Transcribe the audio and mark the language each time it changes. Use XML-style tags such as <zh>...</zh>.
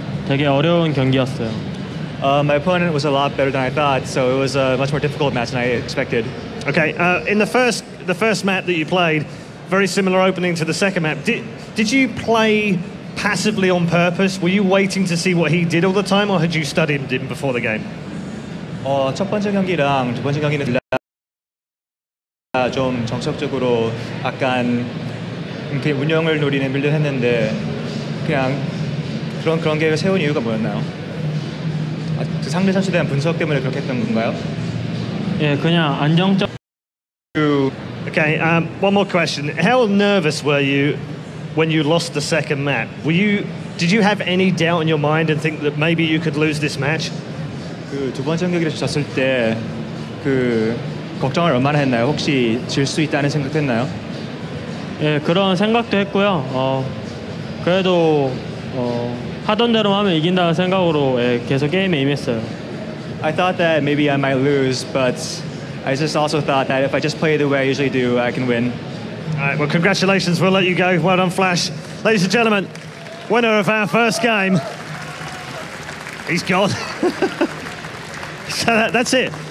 <en>My opponent was a lot better than I thought, so it was a much more difficult match than I expected. Okay, in the first map that you played, very similar opening to the second map. Did you play passively on purpose? Were you waiting to see what he did all the time, or had you studied him before the game?</en> <ko>첫 번째 경기랑 두 번째 경기는 좀 정석적으로 약간 운영을 노리는 빌드 했는데 그냥 그런 계획을 세운 이유가 뭐였나요? 그 상대 선수에 대한 분석 때문에 그렇게 했던 건가요? 예, 그냥 안정적.</ko> <en>Okay, one more question. How nervous were you when you lost the second map? Did you have any doubt in your mind and think that maybe you could lose this match?</en> <ko>그 두 번째 경기를 졌을 때 그 걱정을 얼마나 했나요? 혹시 질 수 있다는 생각했나요? 예, 그런 생각도 했고요. 그래도 하던 대로 하면 이긴다는 생각으로 계속 게임에 임했어요.</ko> <en>I thought that maybe I might lose, but I just also thought that if I just play the way I usually do, I can win. All right, well, congratulations. We'll let you go. Well done, Flash. Ladies and gentlemen, winner of our first game. He's gone. So that's it.</en>